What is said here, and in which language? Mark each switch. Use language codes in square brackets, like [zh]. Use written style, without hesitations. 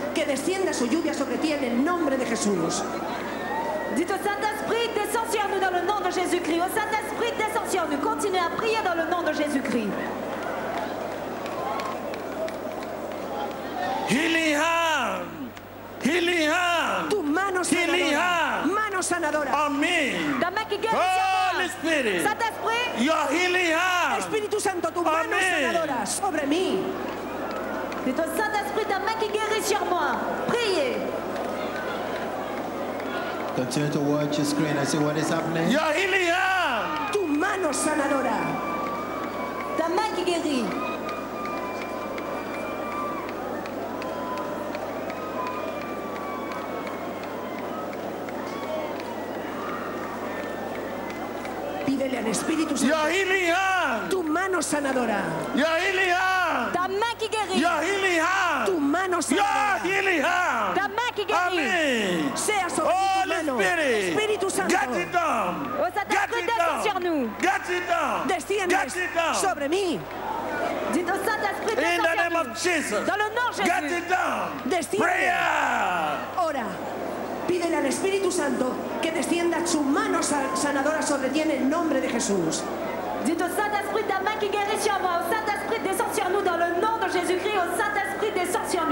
[es] Que descienda su lluvia sobre ti en el nombre de Jesús. [fr] Dites au Saint-Esprit, descends sur nous dans le nom de Jésus-Christ. Au Saint-Esprit, descends sur nous. Continuez à prier dans le nom de Jésus-Christ. [en] Healing hand. Healing hand. [es] Tu mano sanadora. [en] Healing hand. [es] Mano sanadora. [en] Amen. [fr] Ta main qui guérit. [en] Holy Spirit. [fr] Saint-Esprit. [en] Your healing hand. [es] Espíritu Santo, tu mano sanadora. Sobre mí. [fr] Dites au Saint-Esprit, ta main qui guérit sur moi. Priez. [en] Continue to watch your screen and see what is happening. Your healing hand. [es] Tu mano sanadora. [fr] Ta main qui guérit. [es] Pídele al Espíritu Santo. [en] Your healing hand. [es] Tu mano sanadora. [en] Your healing hand. [fr] Ta main qui guérit. [en] Your healing hand. [es] Tu mano sanadora. [en] Your healing hand. [fr] Ta main qui guérit. [en] Amen. [es] Sea sobre [en] Holy Spirit. [es] Espíritu Santo. [en] Get it down. [fr] Oh, Saint-Esprit, descend sur nous. [en] Get it down. [es] Desciende. [en] Get it down. [es] Sobre mí. [fr] Dites au Saint-Esprit, descend [en] In the name of Jesus. [fr] Dans le nom de Jésus. [en] Get it down. [es] Desciende. [en] Prayer. [es] Ora. Pídele al Espíritu Santo que descienda su mano sanadora sobre ti en el nombre de Jesús. [fr] Dites au Saint-Esprit, ta main qui guérit sur moi. Au Saint-Esprit, descend sur nous dans le nom de Jésus-Christ. Au Saint-Esprit, descend sur nous.